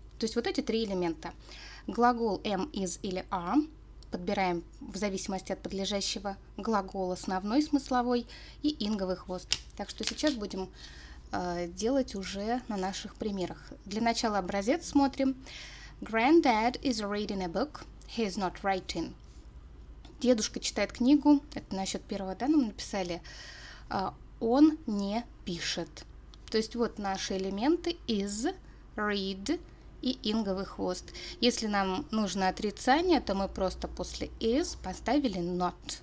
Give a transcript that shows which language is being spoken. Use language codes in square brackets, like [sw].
[ru] То есть вот эти три элемента. Глагол am, is или are подбираем в зависимости от подлежащего, глагол основной, смысловой и инговый хвост. Так что сейчас будем делать уже на наших примерах. Для начала образец смотрим. [en] Granddad is reading a book, he is not writing. [ru] Дедушка читает книгу, это насчет первого, да, нам написали, он не пишет. То есть вот наши элементы is, read и инговый хвост. Если нам нужно отрицание, то мы просто после is поставили not.